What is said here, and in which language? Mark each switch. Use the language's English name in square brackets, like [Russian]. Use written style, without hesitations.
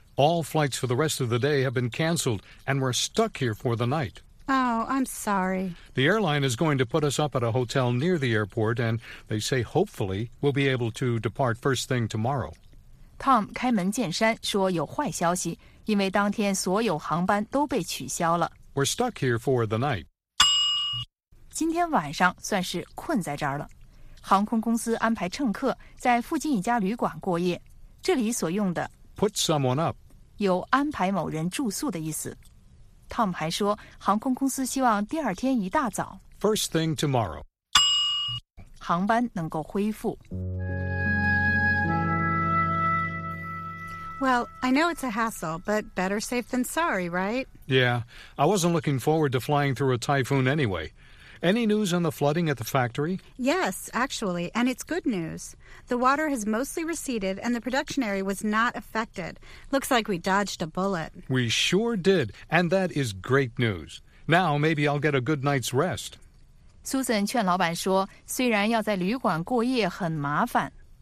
[English] All flights for the rest of the day have been canceled and we're stuck here for the night. Oh, I'm sorry. The airline is going to put us up at a hotel near the airport and they say hopefully we'll be able to depart first thing tomorrow. [Chinese] Tom 开门见山说有坏消息，因为当天所有航班都被取消了。 [English] We're stuck here for the night. [Chinese] 今天晚上算是困在这儿了。航空公司安排乘客在附近一家旅馆过夜，这里所用的 [English] put someone up [Chinese] 有安排某人住宿的意思。Tom 还说航空公司希望第二天一大早 [English] first thing tomorrow [Chinese] 航班能够恢复。 [English] Well, I know it's a hassle, but better safe than sorry, right? Yeah, I wasn't looking forward to flying through a typhoon anyway. Any news on the flooding at the factory? Yes, actually, and it's good news. The water has mostly receded and the production area was not affected. Looks like we dodged a bullet. We sure did, and that is great news. Now maybe I'll get a good night's rest. [Chinese] Susan 劝老板说，虽然要在旅馆过夜很麻烦。